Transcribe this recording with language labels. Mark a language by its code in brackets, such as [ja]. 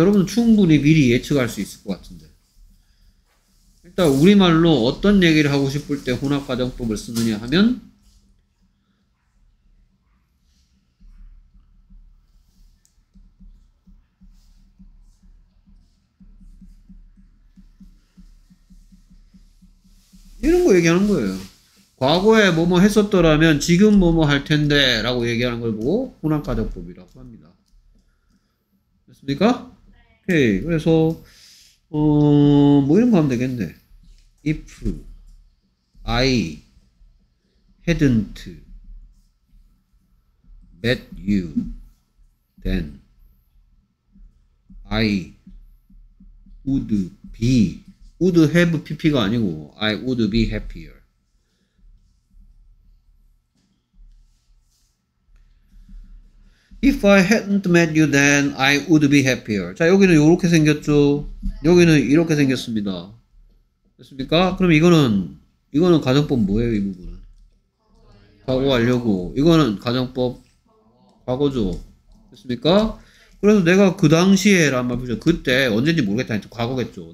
[ko] 여러분은 충분히 미리 예측할 수 있을 것 같은데. 일단 우리말로 어떤 얘기를 하고 싶을 때 혼합가정법을 쓰느냐 하면 이런 거 얘기하는 거예요. 과거에 뭐뭐 했었더라면 지금 뭐뭐 할 텐데 라고 얘기하는 걸 보고 혼합가정법이라고 합니다. 됐습니까? 오케이. 그래서 뭐 이런 거 하면 되겠네. [en] If I hadn't met you then I would be would have [ko] pp가 아니고 [en] I would be happier. If I hadn't met you, then I would be happier. [ko] 자, 여기는 이렇게 생겼죠. 여기는 이렇게 생겼습니다. 됐습니까? 그럼 이거는 가정법 뭐예요, 이 부분은? 과거 완료고. 이거는 가정법 과거죠. 됐습니까? 그래서 내가 그 당시에란 말 붙여. 그때 언제인지 모르겠다. 과거겠죠.